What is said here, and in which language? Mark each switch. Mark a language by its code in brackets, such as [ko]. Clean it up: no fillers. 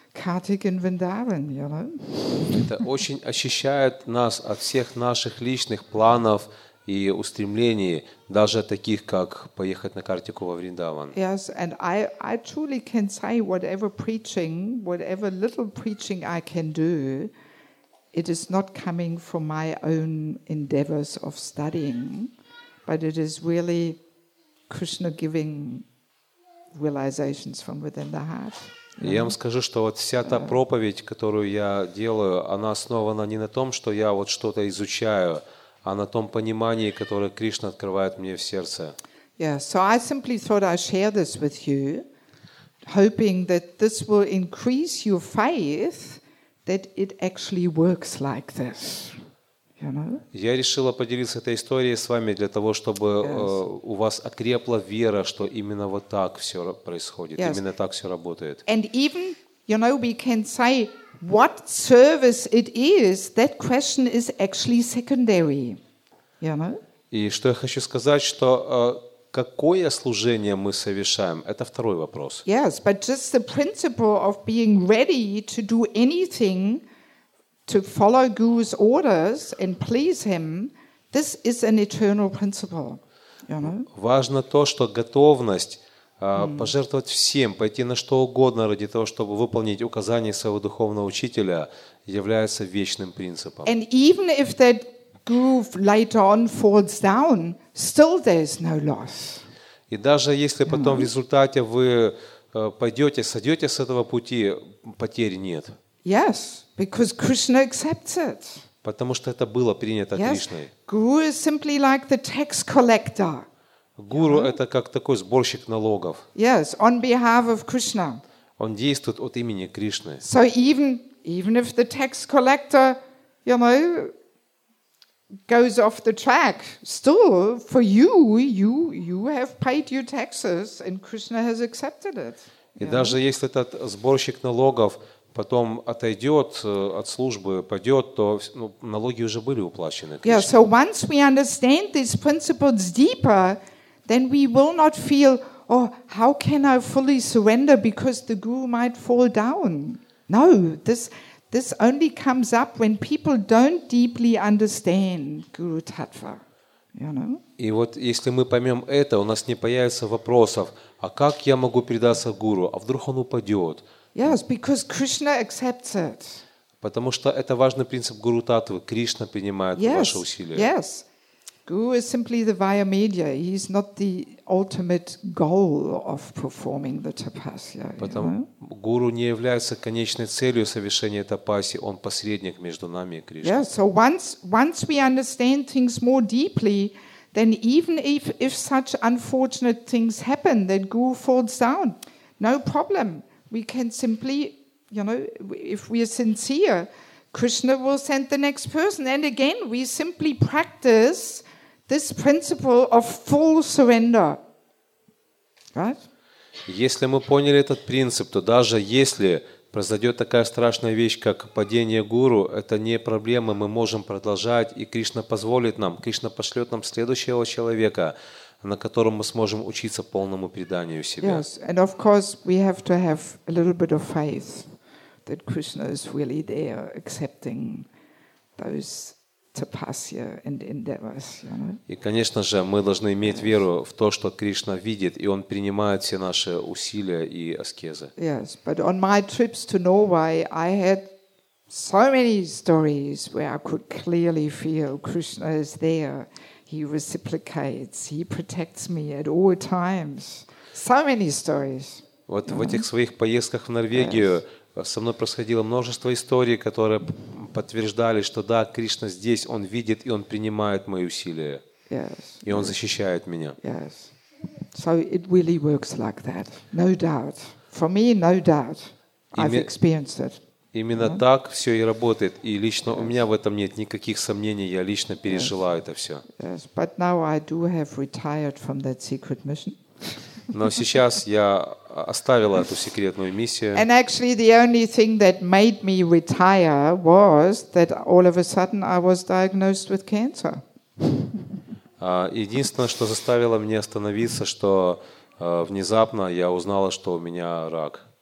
[en] Kartik in Vrindavan, you know? [ru] Это очень очищает нас от всех наших личных планов и устремлений, даже таких, как поехать на Картику во Вриндаван. [en] Yes, and I truly can say whatever preaching, whatever little preaching I can do, it is not coming from my own endeavors of studying, but it is really Krishna giving realizations from within the heart. [ru] Я вам скажу, что вот вся та проповедь, которую я делаю, она основана не на том, что я вот что-то изучаю, а на том понимании, которое Кришна открывает мне в сердце. [en] Yeah, so I simply thought I'd share this with you, hoping that this will increase your faith that it actually works like this. You know? [ru] Я решила поделиться этой историей с вами для того, чтобы у вас окрепла вера, что именно вот так все происходит, именно так все работает. [en] And even, you know, we can say what service it is, that question is actually secondary. You know? [ru] И что я хочу сказать, что какое служение мы совершаем, это второй вопрос. [en] Yes, but just the principle of being ready to do anything to follow Guru's orders and please him, this is an eternal principle. You know? [ru] Важно то, что готовность пожертвовать всем, пойти на что угодно ради того, чтобы выполнить указания своего духовного учителя, является вечным принципом. [en] And even if that guru later on falls down, still there's no loss. [ru] И даже если потом в результате вы пойдете, сойдете с этого пути, потери нет. [en] Yes, because Krishna accepts it. [ru] Потому что это было принято Кришной. [en] Guru is simply like the tax collector. [ru] Гуру это как такой сборщик налогов. [en] Yes, on behalf of Krishna. [ru] Он действует от имени Кришны. [en] So even if the tax collector, you know, goes off the track, still for you have paid your taxes and Krishna has accepted it. [ru] И даже если этот сборщик налогов потом отойдет от службы, пойдет, то ну, налоги уже были уплачены. [en] Yeah, so once we understand these principles deeper, then we will not feel, oh, how can I fully surrender because the guru might fall down? No, this only comes up when people don't deeply understand guru tattva. You know? [ru] И вот если мы поймем это, у нас не появится вопросов, а как я могу предаться гуру, а вдруг он упадет? [en] Yes, because Krishna accepts it. [ru] Потому что это важный принцип гуру таттвы. Кришна принимает ваши усилия. [en] Yes. Guru is simply the via media. He is not the ultimate goal of performing the tapasya. [ru] Потому гуру не является конечной целью совершения тапаси. Он посредник между нами и Кришной. [en] Yes. So once we understand things more deeply, then even if such unfortunate things happen that guru falls down, no problem. We can simply, you know, if we are sincere, Krishna will send the next person. And again, we simply practice this principle of full surrender. Right? [ru] Если мы поняли этот принцип, то даже если произойдет такая страшная вещь, как падение гуру, это не проблема, мы можем продолжать, и Кришна позволит нам, Кришна пошлет нам следующего человека, на котором мы сможем учиться полному преданию себя. [en] Yes, and of course we have to have a little bit of faith that Krishna is really there accepting those tapasya and endeavors. You know? [ru] И, конечно же, мы должны иметь веру в то, что Кришна видит, и Он принимает все наши усилия и аскезы. [en] Yes, but on my trips to Norway, I had so many stories where I could clearly feel Krishna is there. He reciprocates, he protects me at all times. So many stories. [ru] Вот в этих своих поездках в Норвегию со мной происходило множество историй, которые подтверждали, что да, Кришна здесь, Он видит и Он принимает мои усилия. [en] Yes. [ru] И Он защищает меня. [en] Yes. So it really works like that. No doubt. For me, no doubt. I've experienced it. [ru] Именно так все и работает. И лично у меня в этом нет никаких сомнений. Я лично пережила это все. [en] Yes, but now I do have retired from that secret mission. [ru] Но сейчас я оставила эту секретную миссию. [en] And actually the only thing that made me retire was that all of a sudden I was diagnosed with cancer. [ru] Единственное, что заставило меня остановиться, что внезапно я узнала, что у меня рак.